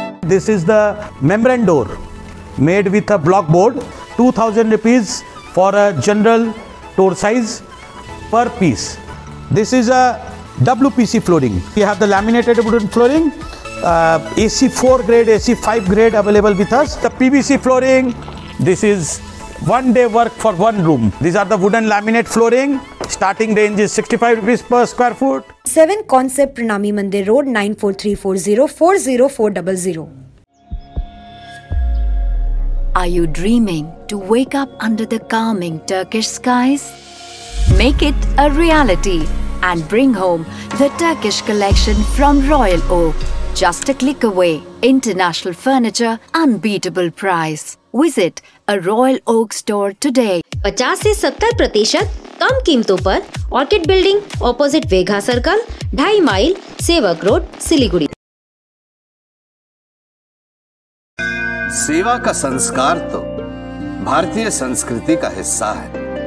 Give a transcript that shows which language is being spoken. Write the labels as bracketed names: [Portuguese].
[English] This is the membrane door made with a block board. 2000 rupees for a general door size. per piece. This is a WPC flooring. We have the laminated wooden flooring, AC 4 grade, AC 5 grade available with us. The PVC flooring, this is one day work for one room. These are the wooden laminate flooring. Starting range is 65 rupees per square foot. 7 Concept Pranami Mandir Road, 94340-40400. Are you dreaming to wake up under the calming Turkish skies? Make it a reality and bring home the Turkish collection from Royal Oak. Just a click away. International furniture, unbeatable price. Visit a Royal Oak store today. [Hindi] 50-70% कम कीमतों पर orchid building opposite वेघा circle 2.5 mile सेवक road Siliguri. सेवा का संस्कार तो भारतीय संस्कृति का हिस्सा है.